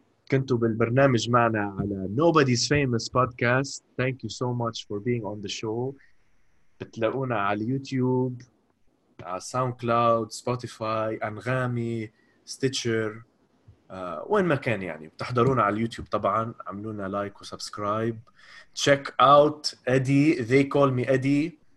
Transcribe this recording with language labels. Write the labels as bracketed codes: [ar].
[ar] كنتوا بالبرنامج معنا على Nobody's Famous Podcast. [en] Thank you so much for being on the show. [ar] بتلاقونا على يوتيوب، على SoundCloud, Spotify, أنغامي, Stitcher, وين ما كان يعني. بتحضرونا على اليوتيوب طبعاً. عملونا لايك وسبسكرايب. [en] Check out Eddie. They call me Eddie.